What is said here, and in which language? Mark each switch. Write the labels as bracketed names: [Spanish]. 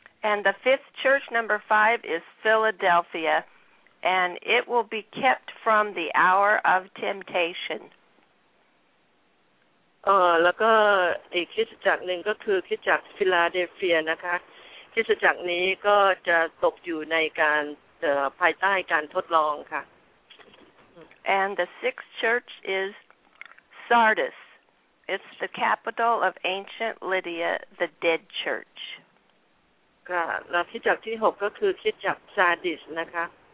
[English] And the fifth church number five is Philadelphia. And it will be kept from the hour of temptation. [Thai] แล้วก็อีกคริสตจักรหนึ่งก็คือคริสตจักรฟิลาเดลเฟียนะคะคริสตจักรนี้ก็จะตกอยู่ในการภายใต้การทดลองค่ะ [English] And the sixth church is Sardis. It's the capital of ancient Lydia, the dead church. [Thai] ค่ะแล้วคริสตจักรที่หกก็คือคริสตจักรซาร์ดิสนะคะ